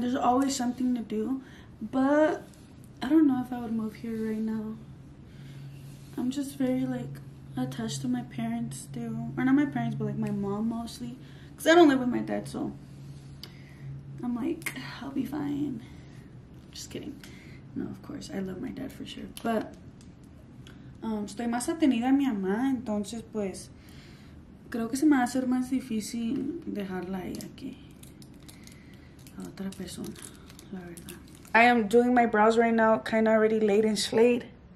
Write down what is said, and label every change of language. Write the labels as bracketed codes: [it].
[en] There's always something to do. But I don't know if I would move here right now. I'm just very, like, attached to my parents still. Or not my parents, but, like, my mom mostly. Because I don't live with my dad, so I'm like, I'll be fine. Just kidding. No, of course. I love my dad for sure. [es] But estoy más atenida a mi mamá, entonces, pues, creo que se me va a hacer más difícil dejarla ahí que a otra persona, la verdad. [en] I am doing my brows right now, kind of already late and slayed.